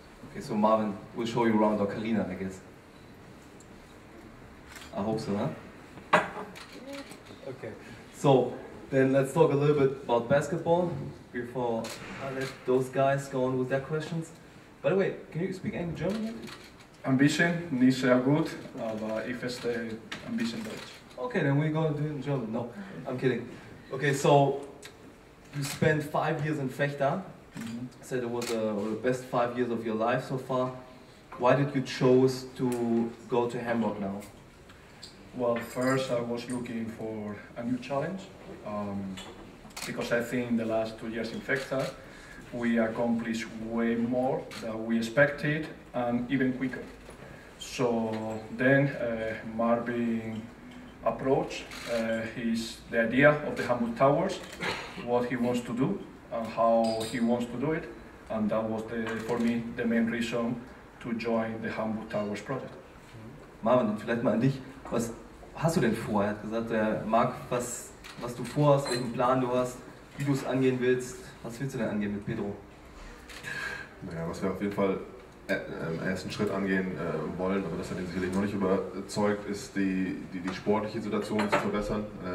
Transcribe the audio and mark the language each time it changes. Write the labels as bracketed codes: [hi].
[en] Okay, so Marvin will show you around, or Karina, I guess. I hope so, huh? Okay, so then let's talk a little bit about basketball before I let those guys go on with their questions. By the way, can you speak any German? [de] Ambition, nicht sehr gut, aber ich verstehe ein bisschen Deutsch. [en] Okay, then we're going to do it in German. No, I'm kidding. Okay, so you spent 5 years in Vechta. Mm-hmm. Said it was the best 5 years of your life so far. Why did you choose to go to Hamburg now? Well, first I was looking for a new challenge because I think the last 2 years in Vechta we accomplished way more than we expected and even quicker. So then Marvin approached the idea of the Hamburg Towers, what he wants to do and how he wants to do it, and that was for me the main reason to join the Hamburg Towers project. [de] Marvin, vielleicht mal an dich. Was hast du denn vor? Er hat gesagt, Marc, was du vorhast, welchen Plan du hast, wie du es angehen willst. Was willst du denn angehen mit Pedro? Naja, was wir auf jeden Fall im ersten Schritt angehen wollen, aber das hat ihn sicherlich noch nicht überzeugt, ist die sportliche Situation zu verbessern.